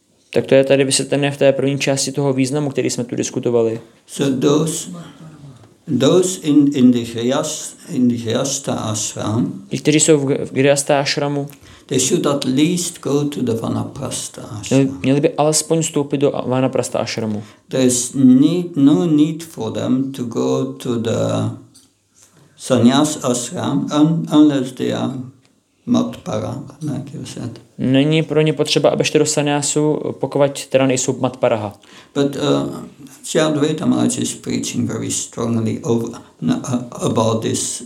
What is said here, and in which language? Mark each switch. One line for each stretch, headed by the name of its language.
Czech: Tak to je tady vysvětlené v té první části toho významu, který jsme tu diskutovali.
English: So those in the Grihastha ashram.
Czech: Ti, kteří jsou v Grihastha ashramu.
English: They should at least go to the Vanaprastha ashram.
Czech: Měli by alespoň vstoupit do Vanaprastha ashramu.
English: There is no need for them to go to the sannyas ashram unless they are matpara, like you said.
Czech: Není pro ně potřeba, aby šli do sannyasu, pokud teda nejsou matparaha.
English: But Sri Advaita Maharaj is preaching very strongly about this.